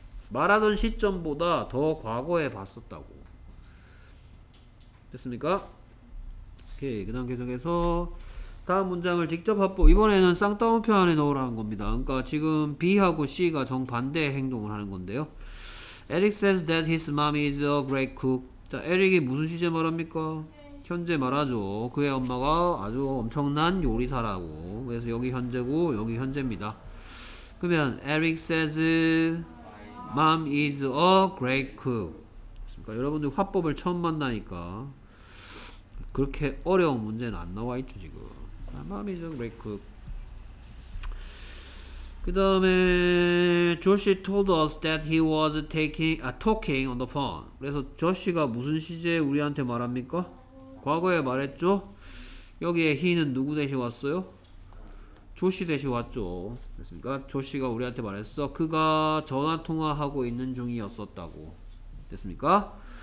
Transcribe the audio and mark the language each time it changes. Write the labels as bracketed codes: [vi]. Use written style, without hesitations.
[ko] 말하던 시점보다 더 과거에 봤었다고. 됐습니까? 오케이. 그 다음 계속해서 다음 문장을 직접 합보. 이번에는 쌍따옴표 안에 넣으라는 겁니다. 그러니까 지금 B하고 C가 정반대의 행동을 하는 건데요. [en] Eric says that his mom is a great cook. [ko] 자, 에릭이 무슨 시제 말합니까? 현재 말하죠. 그의 엄마가 아주 엄청난 요리사라고. 그래서 여기 현재고 여기 현재입니다. 그러면 [en] Eric says mom is a great cook. [ko] 그러니까 여러분들 화법을 처음 만나니까 그렇게 어려운 문제는 안 나와 있죠 지금. [en] Mom is a great cook. [ko] 그 다음에 [en] Josh told us that he was talking on the phone. [ko] 그래서 Josh가 무슨 시제에 우리한테 말합니까? 과거에 말했죠? 여기에 he는 누구 대신 왔어요? Josh 대신 왔죠. 됐습니까? Josh가 우리한테 말했어. 그가 전화통화하고 있는 중이었었다고. 됐습니까?